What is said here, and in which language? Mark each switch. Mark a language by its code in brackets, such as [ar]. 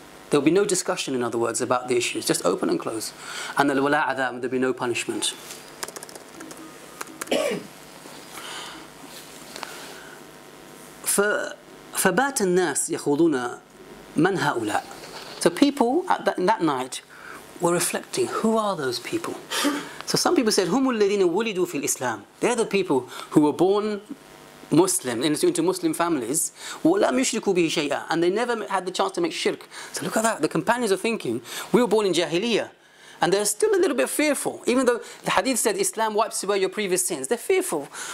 [en] There will be no discussion, in other words, about the issues. Just open and close. And the wala adam, there will be no punishment. [ar] فَبَاتَ النَّاسِ يَخُوضُونَ مَنْ هَؤُلَاء. [en] So people that night were reflecting, who are those people? So some people said, [ar] هُمُ الَّذِينَ وُلِدُوا فِي الْإِسْلَامِ. [en] They're the people who were born Muslim, into Muslim families, [ar] وَلَمْ يُشْرِكُوا بِهِ شَيْئًا. [en] And they never had the chance to make shirk. So look at that, the companions are thinking, we were born in Jahiliyyah. And they're still a little bit fearful. Even though the hadith said Islam wipes away your previous sins, they're fearful.